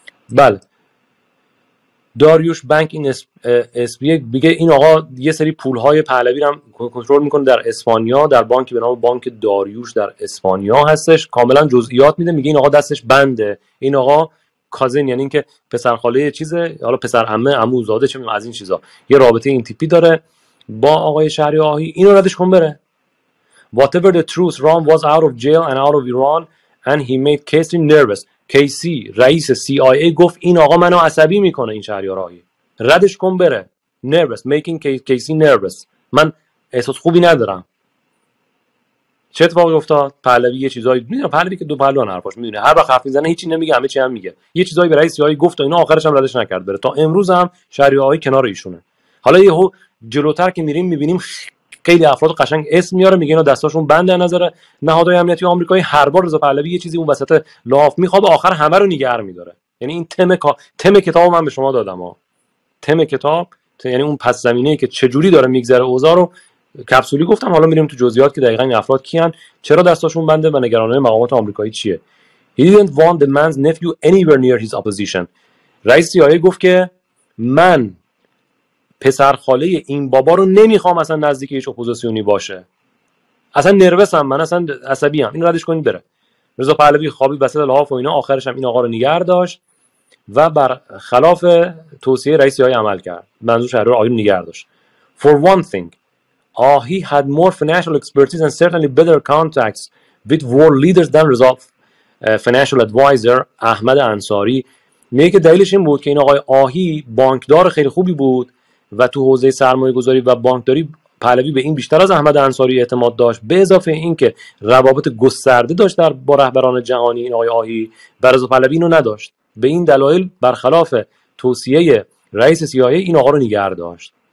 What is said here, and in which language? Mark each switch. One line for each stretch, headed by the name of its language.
Persian: بله داریوش بنک این اس بی میگه این آقا یه سری پولهای پهلوی رو هم کنترل میکنه در اسپانیا، در بانکی به نام بانک داریوش در اسپانیا هستش. کاملا جزئیات میده، میگه این آقا دستش بنده، این آقا کازین، یعنی اینکه پسر خاله چیزه، حالا پسر عمه عموزاده چه از این چیزا، یه رابطه این تیپی داره با آقای شهری آهی. اینو ردش کن بره.
English: Whatever the truth, Ram was out of jail and out of Iran and he made Casey nervous.
Persian: Casey, رئیس CIA گفت این آقا منو عصبی میکنه، این شهری آهی. ردش کن بره.
English: Nervous, making Casey nervous.
Persian: من احساس خوبی ندارم. چه اتفاقی افتاد؟ پهلوی یه چیزایی میدونه، پهلوی که دو پهلوان حرفاش میدونه، هر وقت حرف میزنه هیچی نمیگه، همه چی هم میگه. یه چیزایی به رئیس CIA گفت و اینا، آخرش هم ردش نکرد بره. تا امروز هم شهری آهی کنار ایشونه. حالا یهو جلوتر که میریم میبینیم خیلی افراد قشنگ اسم میاره، میگه اینا دستاشون بنده نظر نهادهای امنیتی آمریکایی. هر بار رضا پهلوی یه چیزی اون وسط لاف میخواد، آخر همه رو نیگر میداره. یعنی این تم کتاب من به شما دادم ها، تم کتاب، یعنی اون پس زمینه‌ای که چجوری داره میگذره اوضاع رو کپسولی گفتم. حالا میریم تو جزئیات که دقیقاً این افراد کیان، چرا دستاشون بنده و نگرانی مقامات آمریکایی چیه.
English: He didn't want the man's nephew anywhere near his opposition.
Persian: رئیس CIA گفت که من پسرخاله این بابا رو نمیخوام اصلا نزدیک هیچ اپوزیسیونی باشه، اصلا نروسم، من اصلا عصبی ام. این ردش کنید بره. رضا پهلوی خوابی وسط لحاف و اینا، آخرش هم این آقا رو نگه داشت و بر خلاف توصیه رئیس CIA عمل کرد. منظور شهریار آهی رو نگه داشت.
English: For one thing, Ahi had more financial expertise and certainly better contacts with world leaders than Reza financial advisor احمد انصاری.
Persian: میگه دلیلش این بود که این آقای آهی بانکدار خیلی خوبی بود و تو حوزه سرمایه گذاری و بانکداری پهلوی به این بیشتر از احمد انصاری اعتماد داشت، به اضافه این که روابط گسترده داشت در با رهبران جهانی این آقای آهی، و رضا پهلوی اینو نداشت. به این دلایل برخلاف توصیه رئیس CIA این آقا رو نگه داشت.